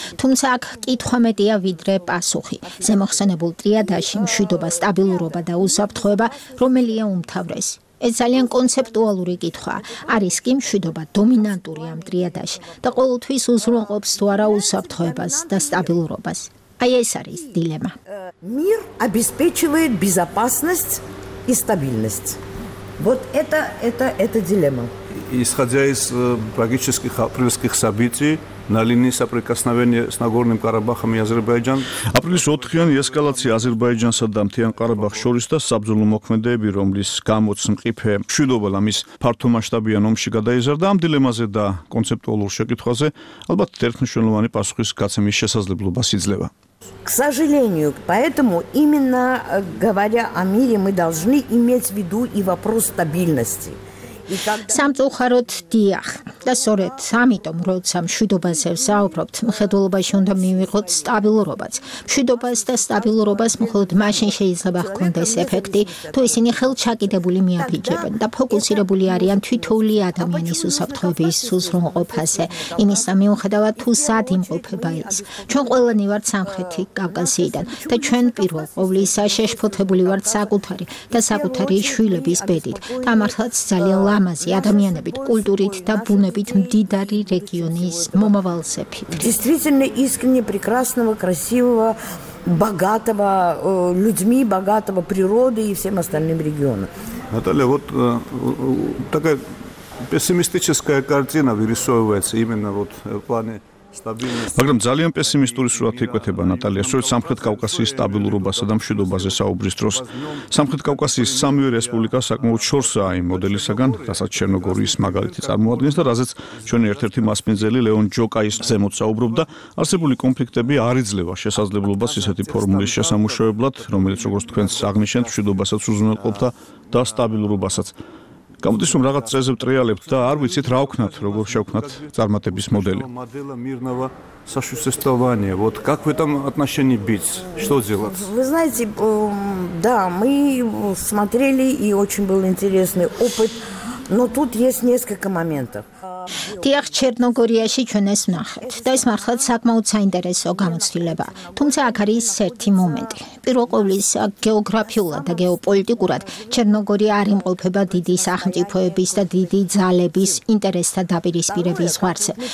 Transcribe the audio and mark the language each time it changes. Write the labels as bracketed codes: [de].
[ka] თუმცა აქ კითხვა მეტია ვიდრე პასუხი. ზემოხსენებულ ტრიადაში მშვიდობა, სტაბილურობა და უსაფრთხოება, რომელია უმთავრესი? ეს ძალიან კონცეპტუალური კითხვაა. არის კი მშვიდობა დომინანტური ამ ტრიადაში და ყოველთვის უზრუნყოფს თუ არა უსაფრთხოებას და სტაბილურობას? აი ეს არის დილემა. [ru] Мир обеспечивает безопасность и стабильность. Вот это дилемма. Исходя из трагических апрельских событий на линии соприкосновения с Нагорным Карабахом и Азербайджаном. [ka] Апрельс 4-იანი ესკალაცია აზერბაიჯანსა და მთიან ყარაბახს შორის და საბრძოლო მოქმედებები, რომლის გამოც მყიფე მშვიდობა ამის ფართომასშტაბიან ომში გადაიზარდა, ამ დილემაზე და კონცეპტუალურ შეკითხვაზე ალბათ თერთმშვენოვანი პასუხის გაცემის შესაძლებლობას იძლევა. [ru] К сожалению, поэтому именно говоря о мире, мы должны иметь в виду и вопрос стабильности. [ka] სამწუხაროდ, დიახ. და სწორედ ამიტომ, როცა მშვიდობაზე ვსაუბრობთ, მხედველობაში უნდა მივიღოთ სტაბილურობაც. მშვიდობას და სტაბილურობას მხოლოდ მაშინ შეიძლება ჰქონდეს ეფექტი, თუ ისინი ხელჩაკიდებული მიაბიჯებენ და ფოკუსირებული არიან თვითოული ადამიანის უსაფრთხოების უზრუნყოფაზე, იმის მიუხედავად, თუ სად იმყოფება ის. ჩვენ ყველანი ვართ სამხრეთი კავკასიიდან და ჩვენ პირველ ყოვლისა შეშფოთებული ვართ საკუთარი და საკუთარი შვილების ბედით. და მართლაც ძალიან ლამაზი ადამიანებით, კულტურით და ბუნებით მდიდარი რეგიონის მომავალზე ფიქრი. [ru] Действительно искренне прекрасного, красивого, богатого людьми, богатого природой и всем остальным регионом. Наталья, вот такая пессимистическая картина вырисовывается именно вот в плане [ka] მაგრამ ძალიან პესიმისტური სურათი ეკვეთება ნატალია, სწორედ სამხრეთ კავკასიის სტაბილურობასა და მშვიდობაზე საუბრის დროს. სამხრეთ კავკასიის სამივე რესპუბლიკა საკმაოდ შორსაა იმ მოდელისაგან, რასაც ჩერნოგორიის მაგალითი წარმოადგენს და რასაც ჩვენი ერთ-ერთი მასპინძელი ლეონ ჯოკაის ზემოთ საუბრობდა. არსებული კონფლიქტები არ იძლევა შესაძლებლობას ისეთი ფორმულის შესამუშავებლად, რომელიც, როგორც თქვენ აღნიშნეთ, მშვიდობასაც უზრუნველყოფდა და სტაბილურობასაც. გამოდის, რომ რაღაც წესზე ვტრიალებთ და არ ვიცით რა ვქნათ, როგორ შევქნათ წარმატების მოდელი. [ru] Сосуществование. Вот как в этом отношении быть? Что делать? Вы знаете, да, мы смотрели и очень был интересный опыт, но тут есть несколько моментов. [ka] დიახ, ჩერნოგორიაში ჩვენ ეს ვნახეთ და ეს მართლაც საკმაოდ საინტერესო გამოცდილებაა. თუმცა აქ არის ერთი მომენტი. პირველ ყოვლისა, გეოგრაფიულად და გეოპოლიტიკურად ჩერნოგორია არ იმყოფება დიდი სახელმწიფოების და დიდი ძალების ინტერესთა დაპირისპირების ზღვარზე.